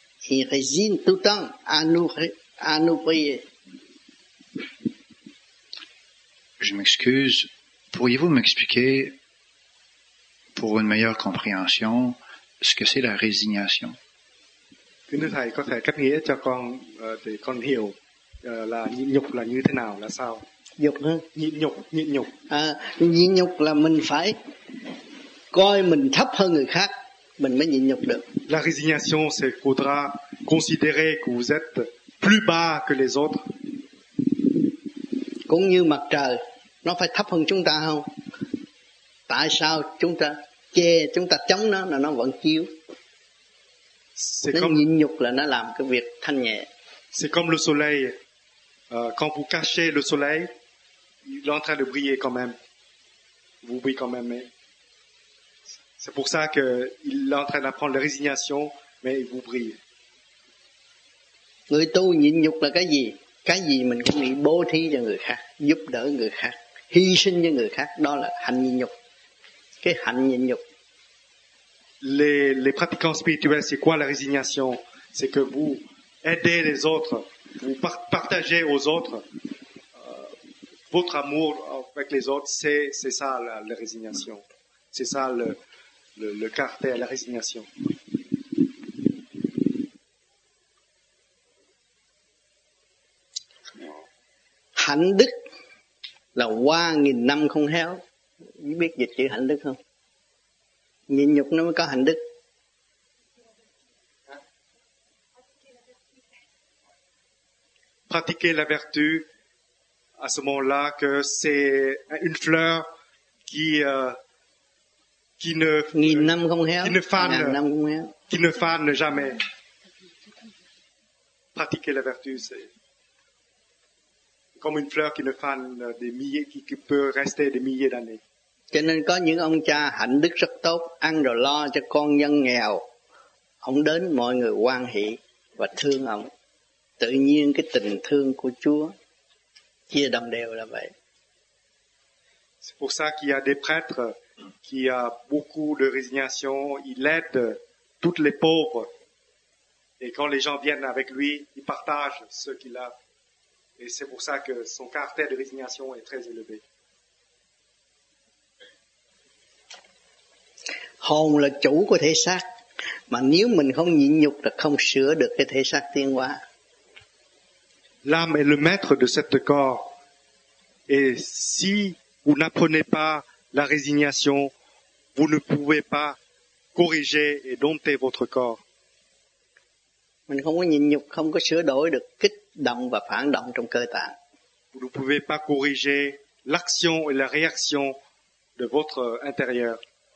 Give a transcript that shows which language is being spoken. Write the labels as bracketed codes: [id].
[fr] Il résigne tout le temps à nous prier. Je m'excuse. Pourriez-vous m'expliquer, pour une meilleure compréhension, ce que c'est la résignation? [vi] Thưa thầy, có thể cắt nghĩa cho con để con hiểu là nhịn nhục là như thế nào, là sao? Nhịn nhục. Nhịn nhục là mình phải coi mình thấp hơn người khác, mình mới nhịn nhục được. [fr] La résignation, c'est faudra considérer que vous êtes plus bas que les autres. [vi] Cũng như mặt trời, nó phải thấp hơn chúng ta không? Tại sao chúng ta che, chúng ta chống nó là nó vẫn chiếu? [fr] C'est [vi] nó [fr] comme, [vi] nhịn nhục là nó làm cái việc thanh nhẹ. [fr] C'est comme le soleil. Quand vous cachez le soleil, il est en train de briller quand même. Vous brillez quand même. Mais c'est pour ça qu'il est en train d'apprendre la résignation, mais il vous brille. [vi] Người tu nhịn nhục là cái gì? Cái gì mình cũng nghĩ bố thí cho người khác, giúp đỡ người khác, hy sinh cho người khác, đó là hạnh nhịn nhục. Cái hạnh nhịn nhục. [fr] Les pratiquants spirituels, c'est quoi la résignation? C'est que vous aidez les autres, vous partagez aux autres votre amour avec les autres, c'est ça la résignation. C'est ça le caractère, la résignation. [vi] Hạnh đức là qua nghìn năm không héo. Chị biết dịch chữ hạnh đức không? Nhịn nhục nó mới có hạnh đức. [fr] Pratiquer la vertu à ce moment-là, que c'est une fleur qui ne [vi] nghìn năm không héo, [fr] qui ne fane, [vi] nghìn năm không héo, [fr] qui ne fane jamais. Pratiquer la vertu, c'est comme une fleur qui ne fane des milliers, qui peut rester des milliers d'années. [vi] Cho nên có những ông cha hạnh đức rất tốt, ăn rồi lo cho con dân nghèo, ông đến mọi người hoan hỷ và thương ông. Tự nhiên cái tình thương của Chúa chia đồng đều là vậy. [fr] C'est pour ça qu'il y a des prêtres qui a beaucoup de résignation, il aide toutes les pauvres, et quand les gens viennent avec lui, il partage ce qu'il a. Et c'est pour ça que son caractère de résignation est très élevé. [vi] Hồn là chủ của thể xác, mà nếu mình không nhịn nhục là không sửa được cái thể xác tiến hóa. [fr] L'âme est le maître de cette corps, et si vous n'apprenez pas la résignation, vous ne pouvez pas corriger et dompter votre corps. [vi] Mình không có nhịn nhục, không có sửa đổi được kích động và phản động trong cơ tạng. [fr] Vous ne pouvez pas corriger l'action et la réaction de votre intérieur.